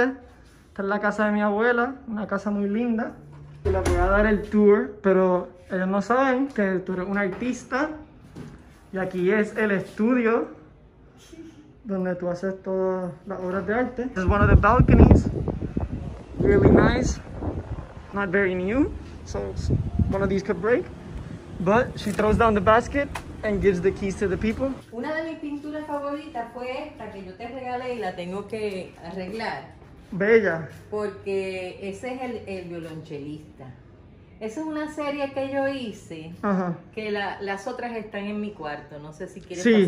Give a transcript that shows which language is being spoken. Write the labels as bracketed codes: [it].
[es] Esta es la casa de mi abuela, una casa muy linda. Le voy a dar el tour, pero ellos no saben que tú eres un artista y aquí es el estudio donde tú haces todas las obras de arte. [en] This is one of the balconies, really nice, not very new, so one of these could break, but she throws down the basket and gives the keys to the people. [es] Una de mis pinturas favoritas fue esta que yo te regalé y la tengo que arreglar. Bella. Porque ese es el violonchelista. Esa es una serie que yo hice. Ajá. Que las otras están en mi cuarto. No sé si quieres sí,